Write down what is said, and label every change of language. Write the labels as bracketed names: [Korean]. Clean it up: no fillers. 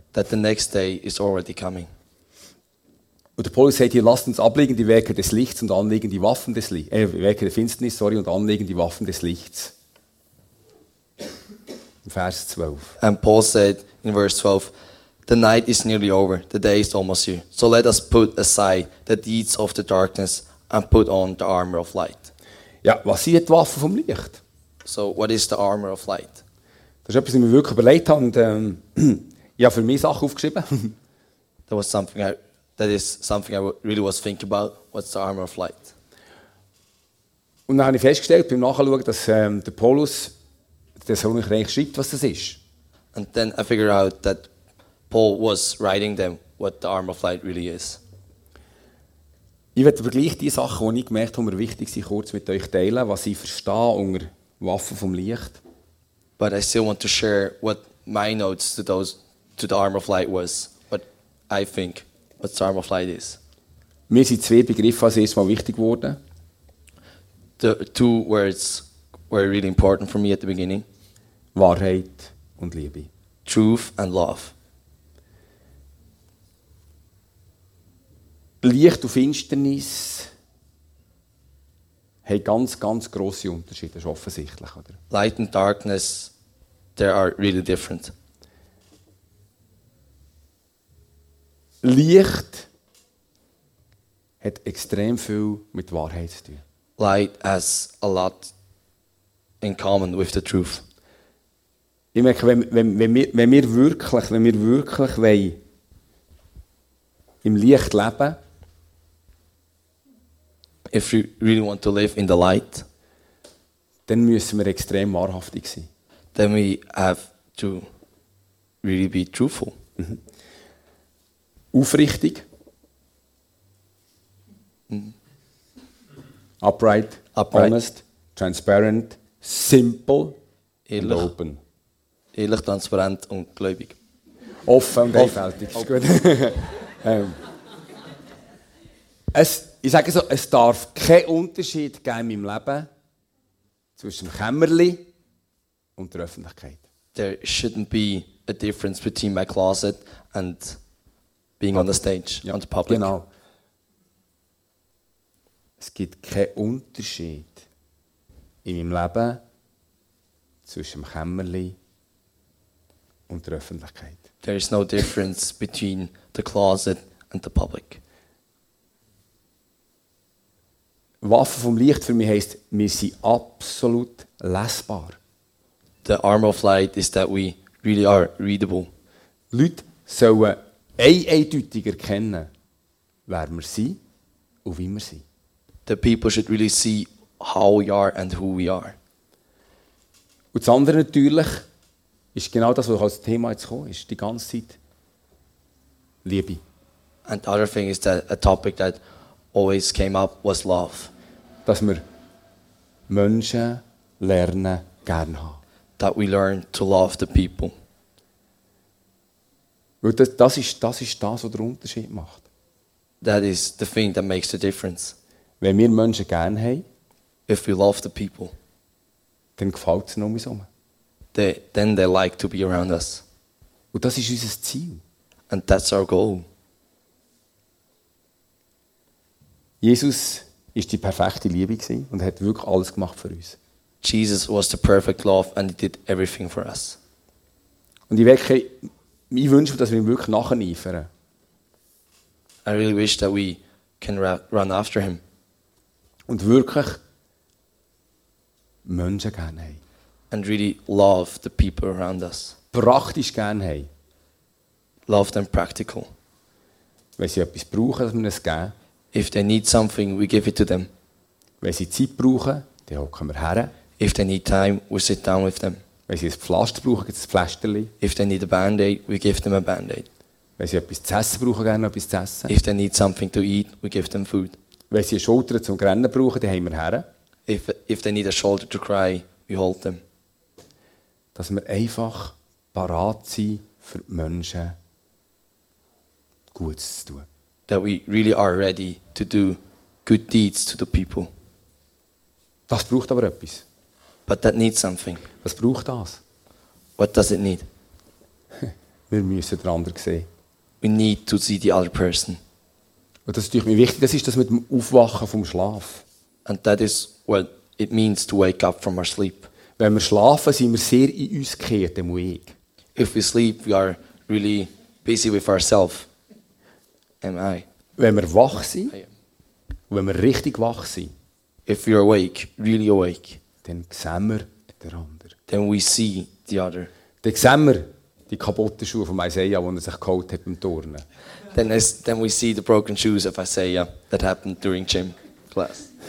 [English] That the next day is already coming. [German] Und der Paulus sagt hier, lasst uns ablegen die Werke des Lichts und anlegen die Waffen des Lichts. Werke der Finsternis, sorry, und anlegen die Waffen des Lichts. Vers 12. [English] And Paul said in verse 12, the night is nearly over, the day is almost here. So let us put aside the deeds of the darkness and put on the armor of light. [German] Ja, was sind die Waffen vom Licht? [English] So what is the armor of light? [German] Das ist etwas, was ich mir wirklich überlegt habe. Und, ich habe für mich Sachen aufgeschrieben. [English] That was something I really was thinking about. What's the armor of light? [German] Und dann habe ich festgestellt, beim Nachschauen, dass der Paulus das auch nicht schreibt, was das ist. [English] And then I figured out that Paul was writing them what the armor of light really is. [German] Ich werde aber gleich die Sachen, die ich gemerkt habe, die mir wichtig sind, kurz mit euch teilen, was ich verstehe unter Waffen vom Licht. [English] But I still want to share what my notes to those to the armor of light was, what I think what the armor of light is. [German] Mir sind zwei Begriffe als erstes mal wichtig geworden. [English] The two words were really important for me at the beginning. [German] Wahrheit und Liebe. [English] Truth and love. [German] Licht und Finsternis haben ganz, ganz grosse Unterschiede, das ist offensichtlich. Oder? [English] Light and darkness, they are really different. [German] Licht hat extrem viel mit Wahrheit zu tun. [English] Light has a lot in common with the truth. [German] Ich merke, wenn wir wirklich wollen, im Licht leben, [English] if you really want to live in the light, [German] dann müssen wir extrem wahrhaftig sein. [English] Then we have to really be truthful. [German] Aufrichtig. [English] Upright. Upright. Honest. Transparent. Simple. [German] Ehrlich. [English] And open. [German] Ehrlich, transparent und gläubig. Offen und einfältig. Ist gut. Ich sage so, es darf keinen Unterschied geben in meinem Leben zwischen dem Kämmerli und der Öffentlichkeit. [English] There shouldn't be a difference between my closet and being on the stage, ja, on the public. [German] Genau. Es gibt keinen Unterschied in meinem Leben zwischen dem Kämmerli und der Öffentlichkeit. [English] There is no difference between the closet and the public. [German] Waffen vom Licht für mich heisst, wir sind absolut lesbar. [English] The armor of light is that we really are readable. [German] Leute sollen eindeutiger kennen, wer wir sind und wie wir sind. [English] The people should really see how we are and who we are. [German] Und das andere natürlich ist genau das, was als Thema jetzt gekommen ist, die ganze Zeit. Liebe. [English] And the other thing is that a topic that always came up was love. [German] Dass wir Menschen lernen gerne haben. [English] That we learn to love the people. [German] Weil das ist das, was der Unterschied macht. [English] That is the thing that makes the difference. [German] Wenn wir Menschen gerne haben, [English] if we love the people, [German] dann gefällt es noch mehr so. [English] Then they like to be around us. [German] Und das ist unser Ziel. [English] And that's our goal. [German] Jesus war die perfekte Liebe und hat wirklich alles gemacht für uns. [English] Jesus was the perfect love and he did everything for us. [German] Und ich wünsche mir, dass wir ihn wirklich nacheifern. [English] I really wish that we can run after him. [German] Und wirklich Menschen gerne haben. [English] And really love the people around us. [German] Praktisch gerne haben. [English] Love them practical. [German] Wenn sie etwas brauchen, dass wir es geben. [English] If they need something, we give it to them. [German] Wenn sie Zeit brauchen, dann hocken wir her. [English] If they need time, we sit down with them. [German] Wenn sie ein Pflaster brauchen, gibt es ein Pflasterli. [English] If they need a Band-Aid, we give them a Band-Aid. [German] Wenn sie etwas zu essen brauchen, gerne etwas zu essen. [English] If they need something to eat, we give them food. [German] Wenn sie eine Schulter zum Rennen brauchen, dann haben wir her. [English] If they need a shoulder to cry, we hold them. [German] Dass wir einfach parat sind, für die Menschen Gutes zu tun. [English] That we really are ready to do good deeds to the people. [German] Das braucht aber etwas. [English] But that needs something. [German] Was braucht das? [English] What does it need? [German] Wir müssen den anderen sehen. [English] We need to see the other person. [German] Und das ist natürlich mir wichtig, das ist das mit dem Aufwachen vom Schlaf. [English] And that is what it means to wake up from our sleep. [German] Wenn wir schlafen, sind wir sehr in uns gekehrt, im Weg. [English] If we sleep, we are really busy with ourselves. Am I? [German] Wenn wir wach sind, wenn wir richtig wach sind, [English] if we are awake, really awake, [German] dann sehen wir den anderen. [English] Then we see the other. [German] Dann sehen wir die kaputten Schuhe von Isaiah, die er sich geholt hat beim Turnen. [English] Then we see the broken shoes of Isaiah that happened during gym class.